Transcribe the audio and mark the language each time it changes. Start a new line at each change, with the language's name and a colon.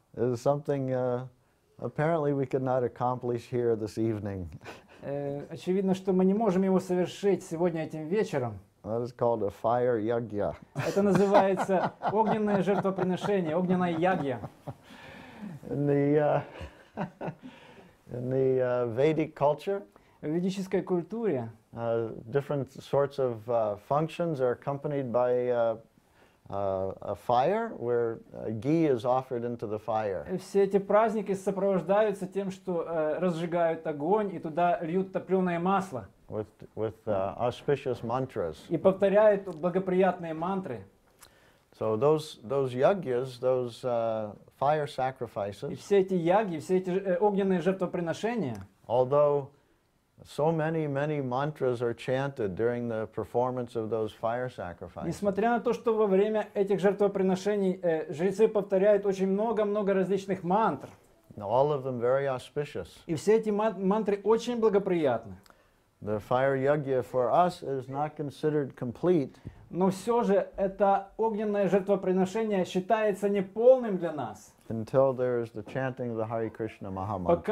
English: It is something apparently we could not accomplish here this evening.
Russian: Очевидно, что мы не можем его совершить сегодня этим вечером.
English: That is called a fire yagya.
Russian: Это называется огненное жертвоприношение, огненная ягья.
English: In the Vedic culture.
Russian: В ведической культуре.
English: Different sorts of functions are accompanied by a fire where ghee is offered into the fire.
Russian: Все эти праздники сопровождаются тем, что разжигают огонь и туда льют топлёное масло.
English: With auspicious mantras.
Russian: И повторяют благоприятные мантры.
English: So those yagyas, those fire sacrifices.
Russian: И все эти ягьи, все эти огненные жертвоприношения.
English: Although so many mantras are chanted during the performance of those fire sacrifices.
Russian: Несмотря на то, что во время этих жертвоприношений жрецы повторяют очень много различных мантр.
English: All of them very auspicious.
Russian: И все эти мантры очень благоприятны.
English: The fire yagya for us is not considered complete.
Russian: Но все же это огненное жертвоприношение считается неполным для нас.
English: Until there is the chanting of the Hare Krishna Maha Mantra.